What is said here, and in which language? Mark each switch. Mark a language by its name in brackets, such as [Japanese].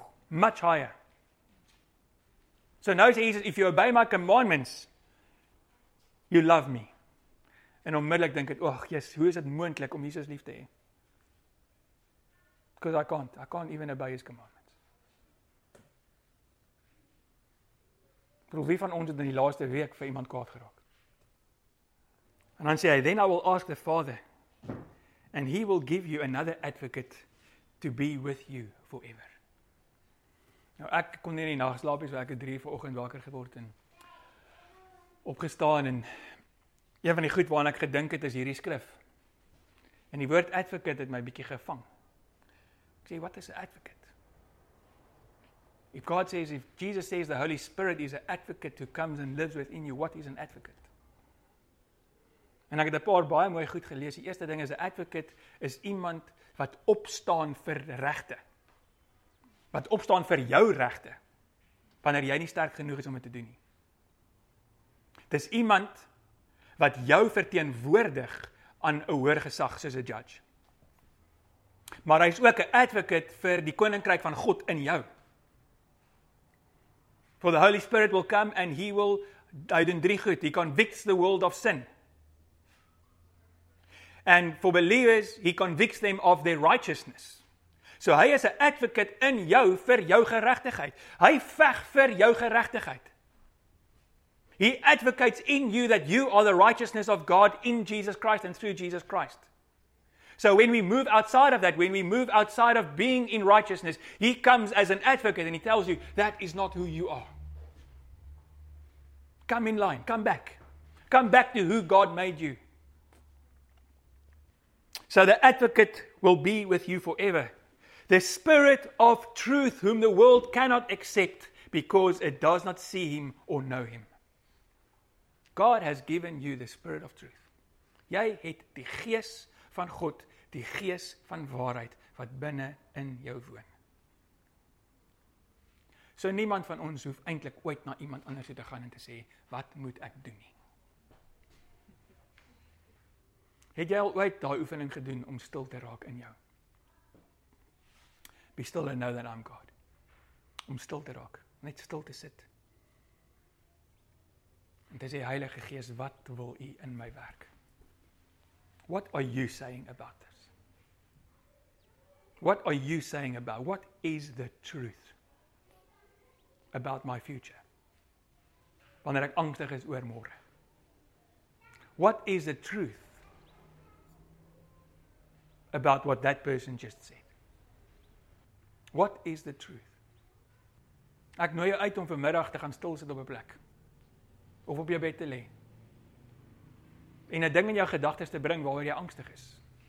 [English] Much higher. [Afrikaans] So nou sê [English] Jesus, if you obey my commandments, you love me. [Afrikaans] En onmiddellik dink ek, ag, Jesus, hoe is dit moontlik om Jesus lief te hê? [English] Because I can't even obey his commandments. [Afrikaans] Probeer wie van ons het in die laaste week vir iemand kwaad geraak? En dan sê hy, [English] then I will ask the Father, and he will give you another advocate to be with you forever. [Afrikaans] Nou, ek kon nie in die nacht slaap, so ek het 3 vanoggend wakker geword en opgestaan, en een van die goed waarin ek gedink het, is hierdie skrif. En die woord advocate het my bietjie gevang. Ek sê, [English] what is an advocate? If Jesus says the Holy Spirit is an advocate who comes and lives within you, what is an advocate? [Afrikaans] En ek het 'n paar baie mooi goed gelees. Die eerste ding is 'n advocate is iemand wat opstaan vir regte. Wat opstaan vir jou regte wanneer jy nie sterk genoeg is om dit te doen nie. Dis iemand wat jou verteenwoordig aan 'n hoër gesag soos 'n judge. Maar hy is ook 'n advocate vir die koninkryk van God in jou. [English] For the Holy Spirit will come and he will [Afrikaans] doen 3 goed. [English] He convicts the world of sin. And for believers, he convicts them of their righteousness. [Afrikaans] So hy is 'n advocate in jou vir jou geregtigheid. Hy veg vir jou geregtigheid. [English] He advocates in you that you are the righteousness of God in Jesus Christ and through Jesus Christ. So when we move outside of that, when we move outside of being in righteousness, he comes as an advocate and he tells you, that is not who you are. Come in line, come back. Come back to who God made you. So the advocate will be with you forever. The Spirit of truth whom the world cannot accept because it does not see him or know him. God has given you the Spirit of truth. [Afrikaans] Jy het die Gees van God, die Gees van waarheid wat binne in jou woon. So niemand van ons hoef eintlik ooit na iemand anders te gaan en te sê, wat moet ek doen nie? Het jy al ooit die oefening gedoen om stil te raak in jou? [English] Be still and know that I'm God. [Afrikaans] Om stil te raak, net stil te sit. En te sê, Heilige Gees, wat wil U in my werk? [English] What are you saying about this? What are you saying about? What is the truth about my future? [Afrikaans] Wanneer ek angstig is oor môre. [English] What is the truth about what that person just said? What is the truth? [Afrikaans] Ek nooi jou uit om vanmiddag te gaan stil sit op 'n plek. Of op jou bed te lê. En 'n ding in jou gedagtes te bring waaroor jy angstig is.